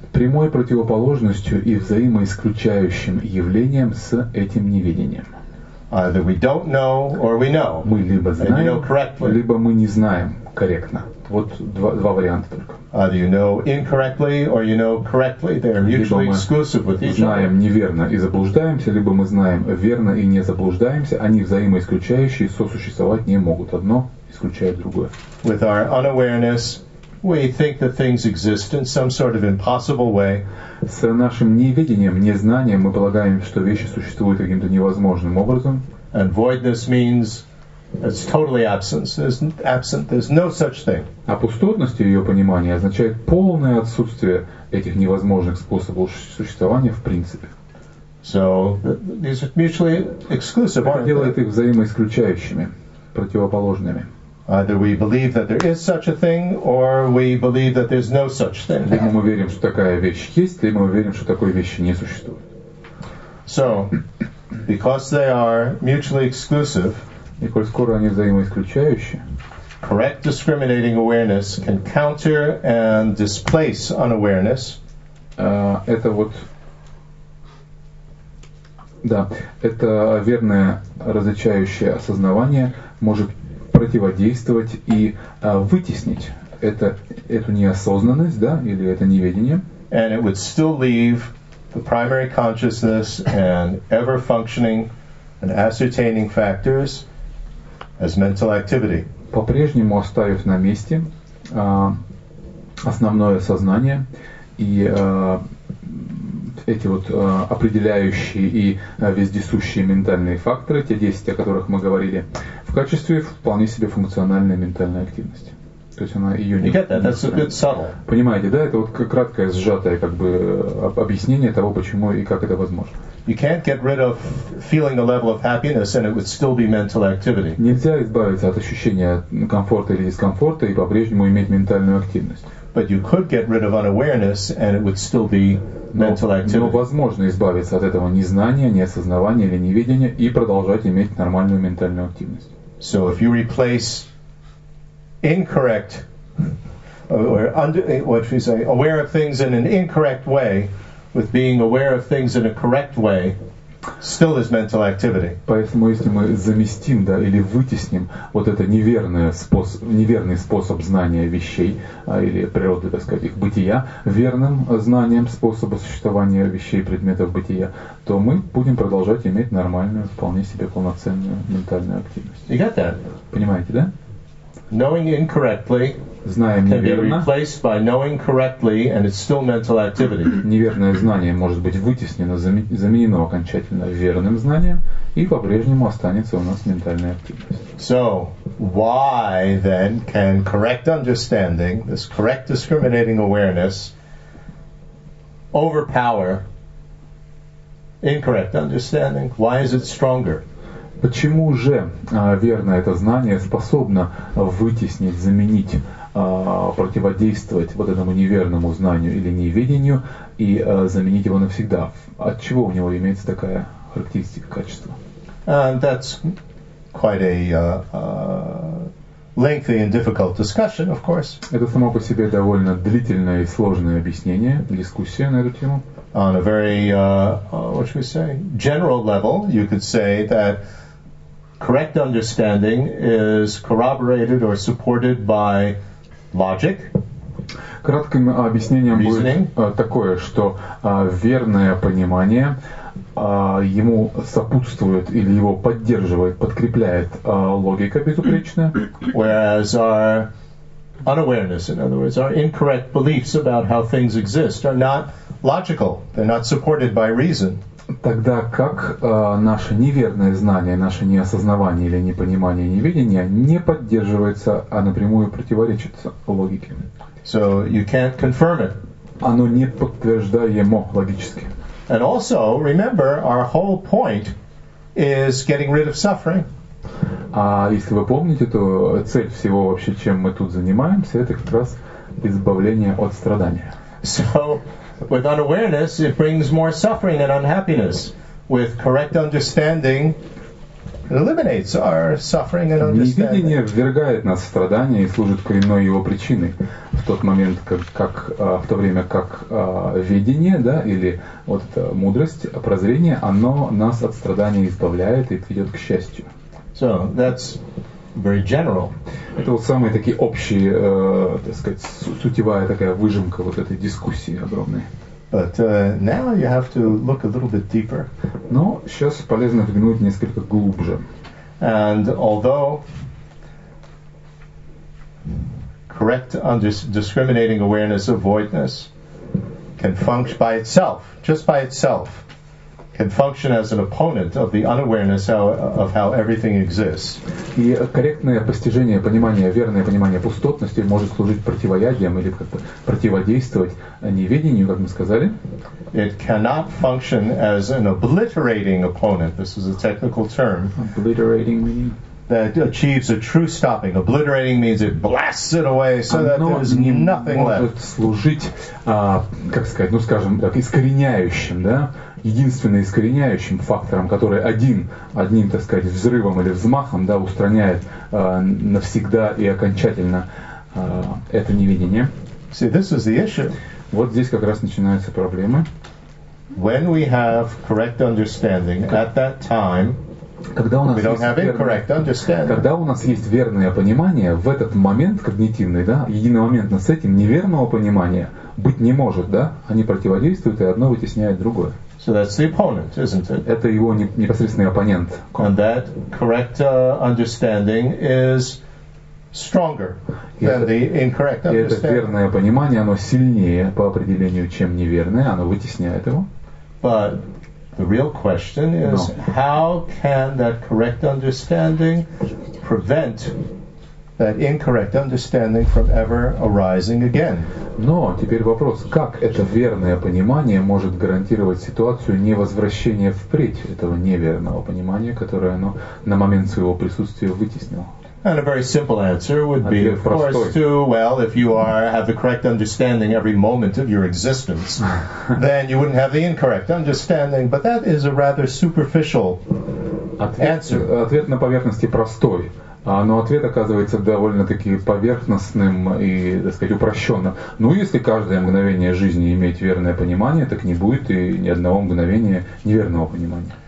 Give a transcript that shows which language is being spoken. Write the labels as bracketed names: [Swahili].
[Russian] Прямой противоположностью и взаимоисключающим явлением с этим неведением. [English] Either we don't know or we know. [Russian] Мы либо знаем, [English] and you know correctly. [Russian] Либо мы не знаем корректно. Вот два варианта только. [English] Either you know incorrectly or you know correctly. They are mutually exclusive with each other. [Russian] Либо мы знаем неверно и заблуждаемся, либо мы знаем верно и не заблуждаемся. Они взаимоисключающие, сосуществовать не могут. Одно исключает другое. [English] With our unawareness, we think that things exist in some sort of impossible way. [Russian] С нашим неведением, незнанием, мы полагаем, что вещи существуют каким-то невозможным образом. [English] And voidness means it's totally absence. There's absent. There's no such thing. [Russian] А пустотность ее понимания означает полное отсутствие этих невозможных способов существования в принципе. [English] So these are mutually exclusive. [Russian] Это делает их взаимоисключающими, противоположными. [English] Either we believe that there is such a thing, or we believe that there's no such thing. [Russian] Либо мы верим, что такая вещь есть, либо мы верим, что такой вещи не существует. [English] So, because they are mutually exclusive, [Russian] и коль скоро они взаимоисключающие, [English] correct discriminating awareness can counter and displace unawareness. [Russian] Это вот. Да, это верное различающее осознавание может противодействовать и вытеснить эту неосознанность, да, или это неведение. [English] And it would still leave the primary consciousness and ever functioning and ascertaining factors as mental activity. [Russian] По-прежнему оставив на месте основное сознание и эти вот определяющие и вездесущие ментальные факторы, те 10, о которых мы говорили, в качестве вполне себе функциональной ментальной активности. То есть она ее не... [English] That's a bit subtle. [Russian] Понимаете, да? Это вот краткое, сжатое как бы объяснение того, почему и как это возможно. [English] You can't get rid of feeling a level of happiness and it would still be mental activity. [Russian] Нельзя избавиться от ощущения комфорта или дискомфорта и по-прежнему иметь ментальную активность. [English] But you could get rid of unawareness and it would still be mental activity. [Russian] Но возможно избавиться от этого незнания, неосознавания или неведения и продолжать иметь нормальную ментальную активность. [English] So if you replace incorrect or under, what should we say, aware of things in an incorrect way with being aware of things in a correct way, still is mental activity. [Russian] Поэтому если мы заместим, да, или вытесним вот это неверный способ знания вещей, или природы, так сказать, их бытия, верным знанием способа существования вещей, предметов бытия, то мы будем продолжать иметь нормальную, вполне себе полноценную ментальную активность. [English] You got that? [Russian] Понимаете, да? [English] Knowing incorrectly [Russian] знаем [English] can [Russian] неверно. [English] Be replaced by knowing correctly, and it's still mental activity. [Russian] Неверное знание может быть вытеснено, заменено окончательно верным знанием, и по-прежнему останется у нас ментальная активность. [English] So, why then can correct understanding, this correct discriminating awareness, overpower incorrect understanding? Why is it stronger? [Russian] Почему же верно это знание способно вытеснить, заменить, противодействовать вот этому неверному знанию или неведению и заменить его навсегда? От чего у него имеется такая характеристика, качество? [English] That's quite a lengthy and difficult discussion, of course. [Russian] Это само по себе довольно длительное и сложное объяснение, дискуссия на эту тему. [English] On a very, what should we say, general level, you could say that correct understanding is corroborated or supported by logic. [Russian] Кратким объяснением [English] reasoning. [Russian] Будет такое, что верное понимание ему сопутствует или его поддерживает, подкрепляет логика безупречная. [English] Whereas our unawareness, in other words, our incorrect beliefs about how things exist are not logical. They're not supported by reason. [Russian] Тогда как наше неверное знание, наше неосознавание или непонимание, невидение не поддерживается, а напрямую противоречит логике? [English] So you can't confirm it. [Russian] Оно не подтверждаемо логически. [English] And also, remember, our whole point is getting rid of suffering. [Russian] А если вы помните, то цель всего вообще, чем мы тут занимаемся, это как раз избавление от страдания. [English] So, with unawareness, it brings more suffering and unhappiness. With correct understanding, it eliminates our suffering and understanding. [Russian] Невидение ввергает нас в страдания и служит коренной его причиной. В тот момент, как в то время как видение, да, или вот эта мудрость, прозрение, оно нас от страдания избавляет и ведет к счастью. [English] So that's very general. [Russian] Это вот самые такие общие, так сказать, сутевая такая выжимка вот этой дискуссии огромной. [English] But now you have to look a little bit deeper. [Russian] Но сейчас полезно взглянуть несколько глубже. [English] And although correct discriminating awareness of voidness can function by itself, just by itself, can function as an opponent of the unawareness of how everything exists. [Russian] И корректное постижение, понимание, верное понимание пустотности может служить противоядием или как бы противодействовать неведению, как мы сказали. [English] It cannot function as an obliterating opponent. This is a technical term. Obliterating meaning? That achieves a true stopping. Obliterating means it blasts it away so that there is nothing left. [Russian] Оно может служить, как сказать, ну скажем так, искореняющим, да? Единственным искореняющим фактором, который одним, так сказать, взрывом или взмахом, да, устраняет навсегда и окончательно это невидение. [English] See, this is the issue. [Russian] Вот здесь как раз начинаются проблемы. [English] When we have correct understanding at that time, [Russian] когда у нас есть верное понимание, в этот момент когнитивный, да, единомоментно с этим неверного понимания быть не может, да, они противодействуют, и одно вытесняет другое. [English] So that's the opponent, isn't it? [Russian] Это его непосредственный оппонент. [English] And that correct understanding is stronger than the incorrect understanding. [Russian] Это верное понимание, оно сильнее по определению, чем неверное, оно вытесняет его. [English] But the real question is, how can that correct understanding prevent that incorrect understanding from ever arising again? [Russian] Но теперь вопрос, как это верное понимание может гарантировать ситуацию невозвращения впредь этого неверного понимания, которое оно на момент своего присутствия вытеснило? [English] And a very simple answer would be, of course, to, well, if you are have the correct understanding every moment of your existence, then you wouldn't have the incorrect understanding. But that is a rather superficial answer. [Russian] Ответ на поверхности простой. Но ответ оказывается довольно-таки поверхностным и, так сказать, упрощенным. Ну, если каждое мгновение жизни иметь верное понимание, так не будет и ни одного мгновения неверного понимания.